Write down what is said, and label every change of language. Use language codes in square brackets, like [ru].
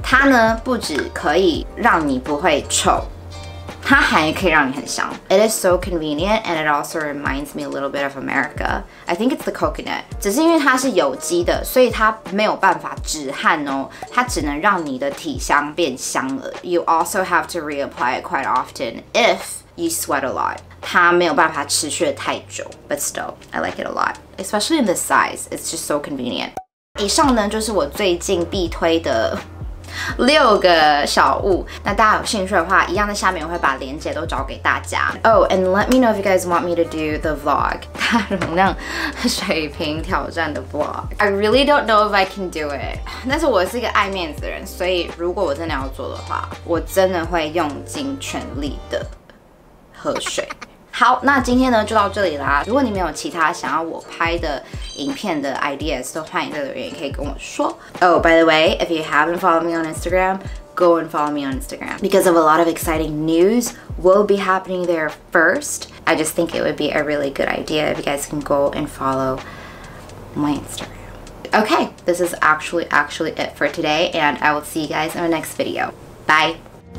[zh] 它呢，不止可以让你不会臭，它还可以让你很香。 [en] It is so convenient, and it also reminds me a little bit of America. I think it's the coconut. [zh] 只是因为它是有机的，所以它没有办法止汗哦，它只能让你的体香变香了。 [en] You also have to reapply it quite often if you sweat a lot. [zh] 它没有办法持续太久。 [en] But still, I like it a lot, especially in this size. It's just so convenient. [zh] 以上呢，就是我最近必推的六个小物，那大家有兴趣的话，一样在下面我会把链接都找给大家。 [en] Oh, and let me know if you guys want me to do the vlog, [zh] 大容量水平挑战的 [en] vlog. I really don't know if I can do it. [zh] 但是我是一个爱面子的人，所以如果我真的要做的话，我真的会用尽全力的喝水。好，那今天呢就到这里啦。如果你们有其他想要我拍的影片的 ideas, 都欢迎在留言可以跟我说。 [en] Oh, by the way, if you haven't followed me on Instagram, go and follow me on Instagram. Because of a lot of exciting news will be happening there first. I just think it would be a really good idea if you guys can go and follow my Instagram. Okay, this is actually it for today, and I will see you guys in my next video. Bye!